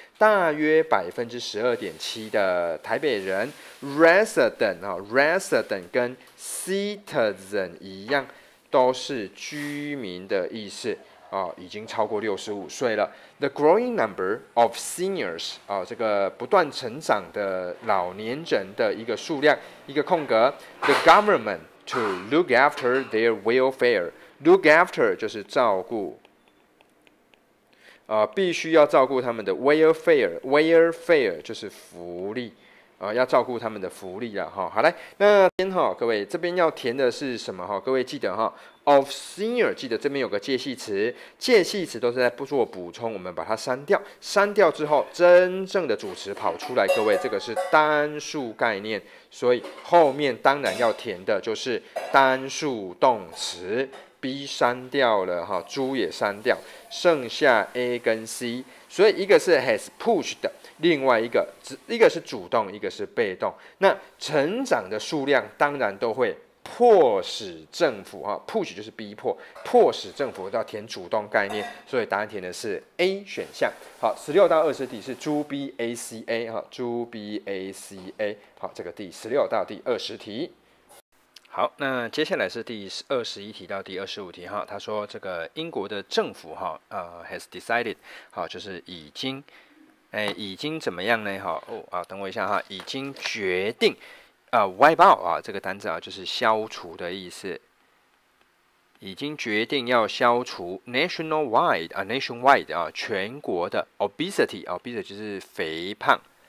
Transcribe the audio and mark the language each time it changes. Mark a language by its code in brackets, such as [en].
[zh] 大约12.7%的台北人，resident 啊，resident 跟 citizen 一样，都是居民的意思啊，已经超过65岁了。 [en] The growing number of seniors [zh] 啊，这个不断成长的老年人的一个数量，一个空格。 [en] The government to look after their welfare，look after [zh] 就是照顾。必须要照顾他们的 welfare 就是福利，要照顾他们的福利了哈。好嘞，那边哈，各位这边要填的是什么哈？各位记得哈， [en] of senior， [zh] 记得这边有个介系词，介系词都是在不做补充，我们把它删掉，删掉之后，真正的主词跑出来，各位这个是单数概念，所以后面当然要填的就是单数动词。 B 删掉了哈，D 也删掉，剩下 A 跟 C，所以一个是 [en] has pushed [zh] 的，另外一个是主动，一个是被动。那成长的数量当然都会迫使政府哈，push 就是逼迫，迫使政府要填主动概念，所以答案填的是 A 选项。好，16到20题是 D B A C A 哈，D B A C A，好，这个第16到第20题。好，那接下来是第21题到第25题哈，他说这个英国的政府哈， [en] has decided， [zh] 好，就是已经怎么样呢？哈，哦，啊，等我一下哈，已经决定， [en] wipe out [zh] 啊，这个单词啊，就是消除的意思，已经决定要消除 nationwide 啊，nationwide 啊，全国的 obesity 啊，obesity 就是肥胖。